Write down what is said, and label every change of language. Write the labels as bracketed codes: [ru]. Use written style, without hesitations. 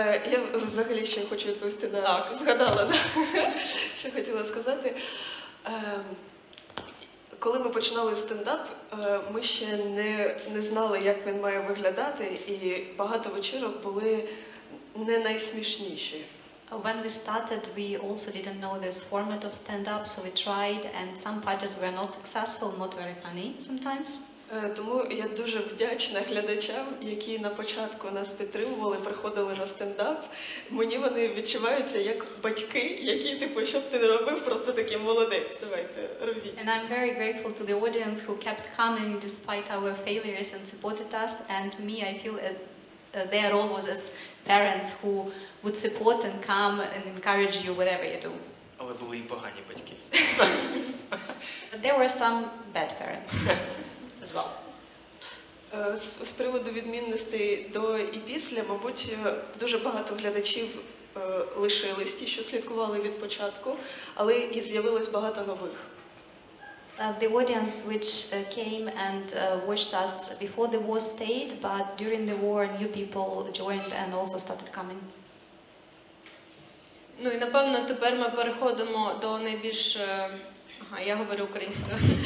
[uk] Я взагалі ще хочу відповісти на так. Згадала, що хотіла сказати. Коли ми починали стендап, ми ще не знали, як він має виглядати, і багато вечірок були не найсмішніші. [en] When we started, we also didn't know this format of stand-up, so we tried, and some parties were not successful, not very funny sometimes. [uk] Тому я дуже вдячна глядачам, які на початку нас підтримували, приходили на стендап. Мені вони відчуваються як батьки, які, типу, щоб ти не робив, просто такий молодець, давайте, робіть. [en] And I'm very grateful to the audience who kept coming despite our failures and supported us, and to me, I feel their role was as parents who would support and come and encourage you whatever you do. [uk] Але були й погані батьки. [en] There were some bad parents as well. [uk] З приводу відмінностей до і після, мабуть, дуже багато глядачів лишились ті, що слідкували від початку, але і з'явилось багато нових. [en] The audience which came and watched us before the war stayed, but during the war new people joined and also started coming. [uk] Ну і напевно тепер ми переходимо до найбільш я говорю українською.